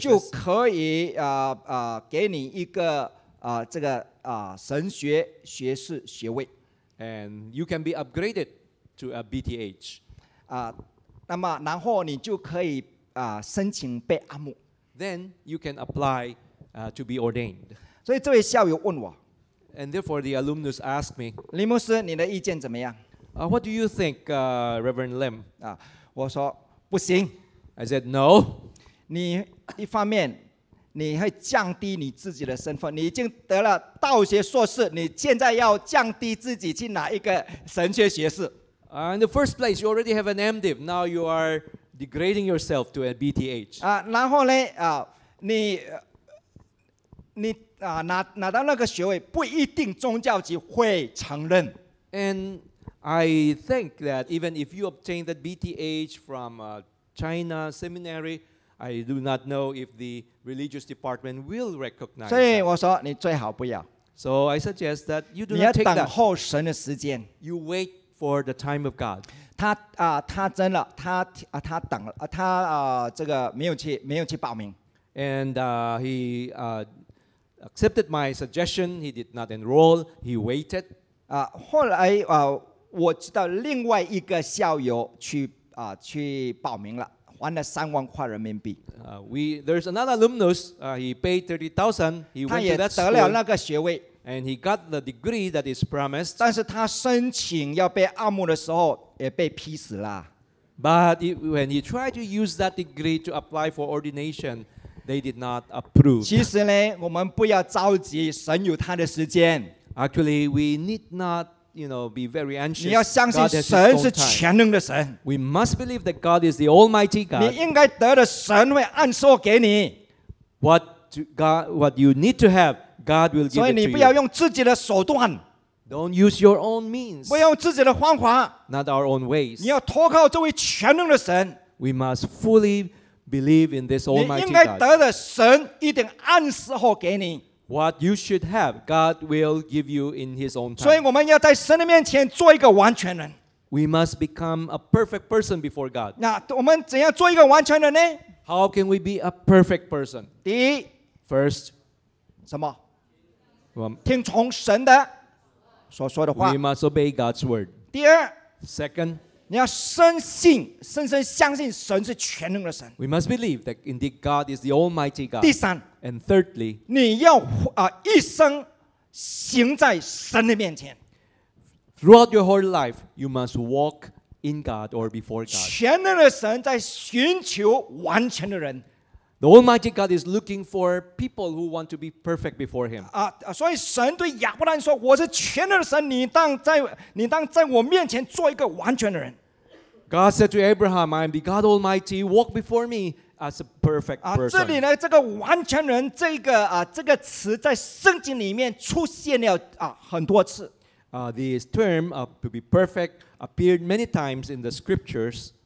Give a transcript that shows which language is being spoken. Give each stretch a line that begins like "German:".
Chinese: 就可以给你一个这个神学学士学位。
English: And you can be upgraded to a BTH.
Chinese: 那么然后你就可以申请被按牧。
English: Then you can apply to be ordained.
Chinese: 所以这位校友问我
English: ，And therefore the alumnus asked me，
Chinese: 林牧师，你的意见怎么样
English: ？What do you think, Reverend Lim？
Chinese: 我说不行。
English: I said no。
Chinese: 你一方面你会降低你自己的身份，你已经得了道学硕士，你现在要降低自己去拿一个神学学士。
English: In the first place, you already have an MDiv. Now you are degrading yourself to a BTH。
Chinese: 然后呢？你。拿到那个学位不一定宗教局会承认。
English: And I think that even if you obtain that BTH from a China seminary, I do not know if the religious department will recognize.
Chinese: 所以我说你最好不要。
English: So I suggest that you do not take that.
Chinese: 你要等候神的时间。
English: You wait for the time of God.
Chinese: 他真了，他等了，他这个没有去报名。
English: And he accepted my suggestion. He did not enroll. He waited.
Chinese: 后来我知道另外一个校友去报名了，还了30,000块人民币。
English: There's another alumnus. He paid 30,000. He went to that school.
Chinese: 他也得了那个学位。
English: And he got the degree that is promised.
Chinese: 但是他申请要被按摩的时候也被批死了。
English: But when he tried to use that degree to apply for ordination. They did not approve.
Chinese: 其实呢，我们不要着急，神有他的时间。
English: Actually, we need not, you know, be very anxious.
Chinese: 你要相信神是全能的神。
English: We must believe that God is the Almighty God.
Chinese: 你应该得的，神会按说给你。
English: What you need to have, God will give it to you.
Chinese: 所以你不要用自己的手段。
English: Don't use your own means.
Chinese: 不要用自己的方法。
English: Not our own ways.
Chinese: 你要投靠这位全能的神。
English: We must fully. Believe in this Almighty God. What you should have, God will give you in His own time. We must become a perfect person before God. How can we be a perfect person? First,
Chinese: 什么？听从神的所说的话。
English: We must obey God's word.
Chinese: 第二
English: Second,
Chinese: 你要深信、深深相信神是全能的神。
English: We must believe that indeed God is the Almighty God.
Chinese: 第三
English: ，and thirdly，
Chinese: 你要一生行在神的面前。
English: Throughout your whole life, you must walk in God or before God.
Chinese: 全能的神在寻求完全的人。
English: The Almighty God is looking for people who want to be perfect before Him.
Chinese: 所以神对亚伯兰说，我是全能的神，你当在我面前做一个完全的人。
English: God said to Abraham, I am the God Almighty, walk before me as a perfect person.
Chinese: 这里呢，这个完全人这个这个词在圣经里面出现了很多次。
English: This term to be perfect appeared many times in the scriptures.